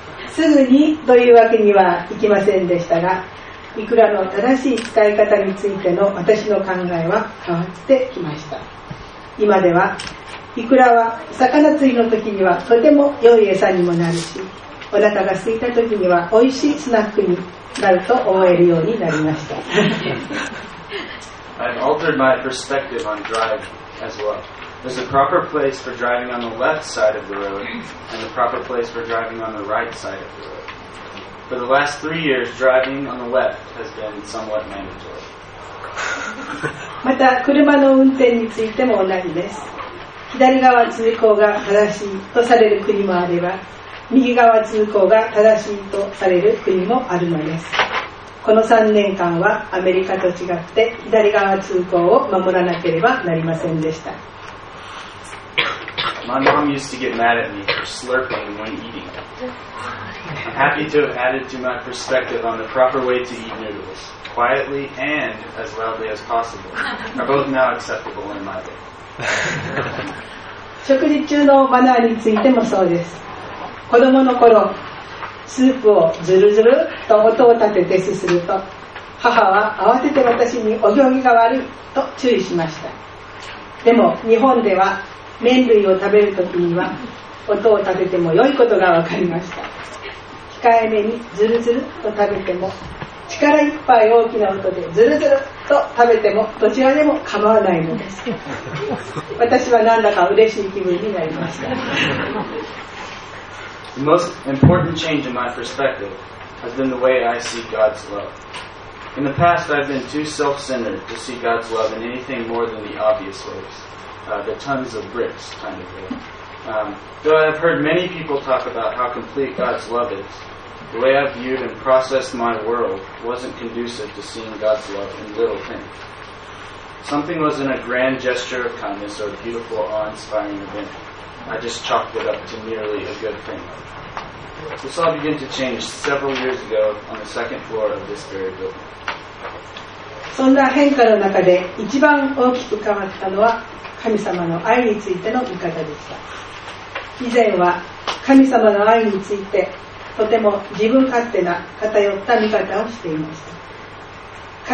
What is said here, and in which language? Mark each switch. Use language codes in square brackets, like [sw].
[ja] すぐにというわけにはいきませんでしたが、イクラの正しい使い方についての私の考えは変わってきました。今ではイクラは魚釣りの時にはとても良い餌にもなるし、お腹が空いた時には美味しいスナックになると思えるようになりました。 [en] I've altered my perspective on driving as well. There's a proper place for driving on the left side of the road and a proper place for driving on the right side of the road. For the last 3 years, driving on the left has been somewhat mandatory. [ja] また車の運転についても同じです。左側通行が正しいとされる国もあれば、右側通行が正しいとされる国もあるのです。この3年間はアメリカと違って左側通行を守らなければなりませんでした。 [en] My mom used to get mad at me for slurping when eating. I'm happy to have added to my perspective on the proper way to eat noodles, quietly and as loudly as possible, are both now acceptable in my day. [ja] 食事中のマナーについてもそうです。子供の頃、スープをズルズルと音を立ててすすると、母は慌てて私にお行儀が悪いと注意しました。でも日本では麺類を食べるときには音を立てても良いことが分かりました。控えめにズルズルと食べても、力いっぱい大きな音でズルズルと食べてもどちらでも構わないのです。私はなんだか嬉しい気分になりました。 [en] The most important change in my perspective has been the way I see God's love. In the past, I've been too self-centered to see God's love in anything more than the obvious ways. the tons of bricks kind of way. Though I've heard many people talk about how complete God's love is, the way I viewed and processed my world wasn't conducive to seeing God's love in little things. Something was in a grand gesture of kindness or a beautiful, awe-inspiring event. I just chalked it up to merely a good thing. This all began to change several years ago on the second floor of this very building. [ja] そんな変化の中で一番大きく変わったのは神様の愛についての見方でした。以前は神様の愛についてとても自分勝手な偏った見方をしていました。